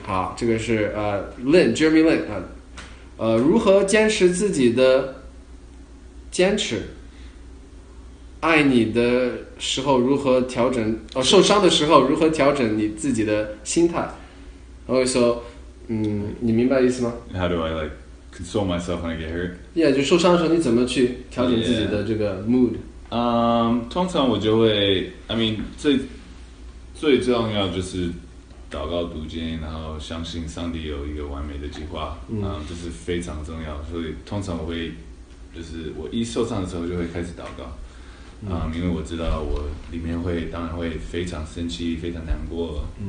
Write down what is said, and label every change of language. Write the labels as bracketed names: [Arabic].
[Chinese] 好，这个是Jeremy Lin 如何坚持自己的坚持？爱你的时候如何调整受伤的时候如何调整你自己的心态？然后说你明白意思吗？ [English] How do I like console myself when I get hurt? [Chinese] Yeah, 就受伤的时候你怎么去调整自己的这个 mood? [English] Yeah. [Chinese] 通常我就会 [English] I mean [Chinese] 最重要就是祷告读经，然后相信上帝有一个完美的计划，这是非常重要，所以通常我会就是我一受伤的时候就会开始祷告，因为我知道我里面会当然会非常生气非常难过，